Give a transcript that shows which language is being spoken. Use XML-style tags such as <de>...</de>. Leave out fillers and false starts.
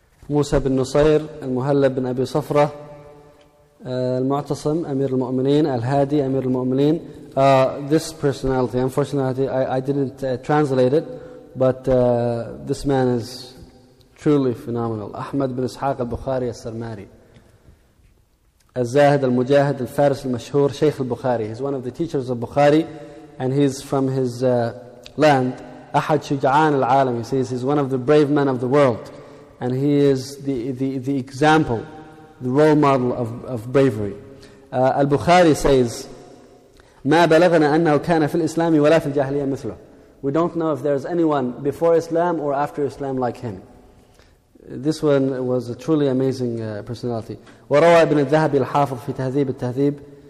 <ar>موسى بن نصير المهلب بن أبي صفرة المعتصم أمير المؤمنين الهادي أمير المؤمنين.</ar> <en>This personality, unfortunately I didn't translate it, but this man is truly phenomenal.</en> <ar>أحمد بن إسحاق البخاري السرماري الزاهد المجاهد الفارس المشهور شيخ البخاري.</ar> <en>He's one of the teachers of Bukhari, and he's from his land.</en> <ar>أحد شجعان العالم,</ar> <en>he says he's one of the brave men of the world. And he is the example, the role model of bravery. Al-Bukhari says,</en> <ar>"مَا بَلَغْنَا أَنَّهُ كَانَ فِي الْإِسْلَامِ وَلَا فِي الْجَاهِلِيَّةِ مِثْلُهُ."</ar> <en>We don't know if there's anyone before Islam or after Islam like him. This one was a truly amazing personality.</en> <ar>وَرَوَى ابْنُ الذَّهَبِ الْحَافِظُ فِي تَهْذِيبِ التَّهْذِيبِ</ar>